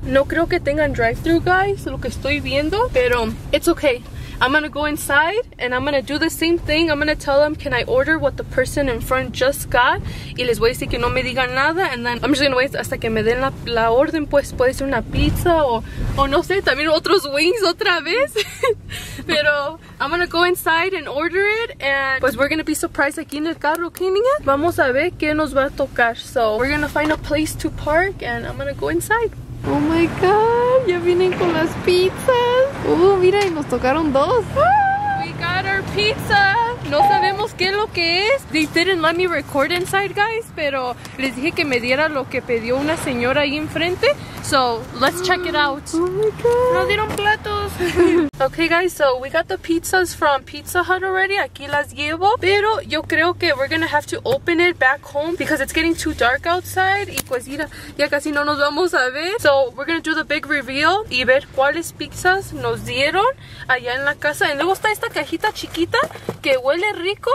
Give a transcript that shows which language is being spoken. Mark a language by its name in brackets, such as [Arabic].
[Spanish] No creo que tengan drive-thru, guys, lo que estoy viendo. [English] Pero it's okay. I'm gonna go inside and I'm gonna do the same thing. I'm gonna tell them, can I order what the person in front just got? [Spanish] Y les voy a decir que no me digan nada. [English] And then I'm just gonna wait [Spanish] hasta que me den la orden. Pues puede ser una pizza o no sé, también otros wings otra vez. [English] Pero I'm gonna go inside and order it. And pues we're gonna be surprised [Spanish] aquí en el carro, ¿qué niña? Vamos a ver qué nos va a tocar. [English] So we're gonna find a place to park and I'm gonna go inside. [Spanish] Oh my god, ya vienen con las pizzas. Mira, y nos tocaron dos. [English] We got our pizza. [Spanish] No sabemos qué es lo que es. [English] They didn't let me record inside, guys, [Spanish] pero les dije que me diera lo que pidió una señora ahí enfrente. [English] So, let's check it out. Oh my god. [Spanish] Nos dieron platos. [English] Okay, guys, so we got the pizzas from Pizza Hut already. [Spanish] Aquí las llevo. Pero yo creo que [English] we're gonna have to open it back home because it's getting too dark outside. [Spanish] Y pues mira, ya casi no nos vamos a ver. [English] So, we're gonna do the big reveal [Spanish] y ver cuáles pizzas nos dieron allá en la casa. Y luego está esta cajita chiquita que huele rico.